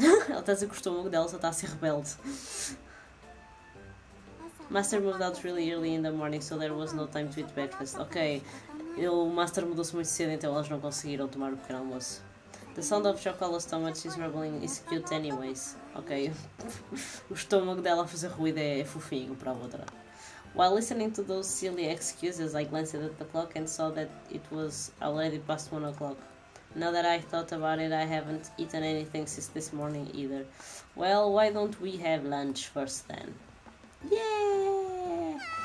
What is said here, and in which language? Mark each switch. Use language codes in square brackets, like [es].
[pt] Ela está se acostumando dela, só está a ser rebelde. [en] Master moved out really early in the morning, so there was no time to eat breakfast. Okay. [pt] O Master mudou-se muito cedo, então elas não conseguiram tomar o pequeno almoço. [en] The sound of Chocolate's stomach is rumbling is cute anyways. Okay. [pt] O estômago dela a fazer ruído é fofinho para a outra. [en] While listening to those silly excuses, I glanced at the clock and saw that it was already past 1 o'clock. Now that I thought about it, I haven't eaten anything since this morning either. Well, why don't we have lunch first then? Yeah!